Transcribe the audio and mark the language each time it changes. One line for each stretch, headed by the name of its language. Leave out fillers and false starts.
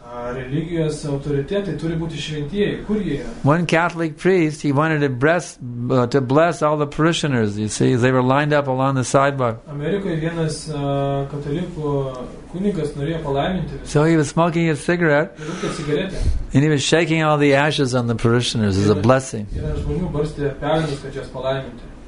Lithuanian: Religijos autoritetai turi būti šventieji. Kur jie yra?
English: One Catholic priest, he wanted to bless all the parishioners, you see, they were lined up along the sidewalk.
Lithuanian: Amerikoje vienas katalikų kunigas norėjo palaiminti.
English: So he was smoking a cigarette.
Lithuanian: Rūkė cigaretę.
English: And he was shaking all the ashes on the parishioners as a blessing.
Lithuanian: Žmonių barstė pelenus, kad juos palaiminti.